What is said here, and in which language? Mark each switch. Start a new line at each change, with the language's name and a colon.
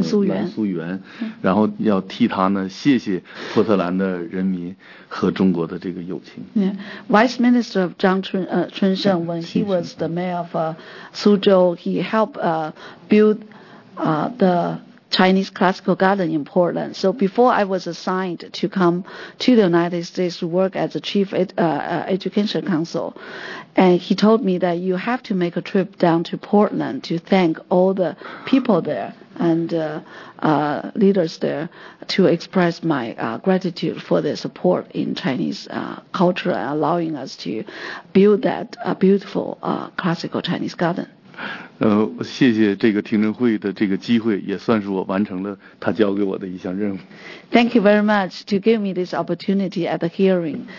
Chinese: 苏园，然后要替他呢谢谢波特兰的人民和中国的这个友情。
English: Yeah. Vice Minister of 张春盛 when he was the mayor of Suzhou, he helped build the Chinese Classical Garden in Portland. So before I was assigned to come to the United States to work as a chief education counsel, and he told me that you have to make a trip down to Portland to thank all the people there and leaders there to express my gratitude for their support in Chinese culture, allowing us to build that beautiful classical Chinese garden.
Chinese: 谢谢这个听证会的这个机会, 也算是我完成了他交给我的一项任务。
English: Thank you very much to give me this opportunity at the hearing.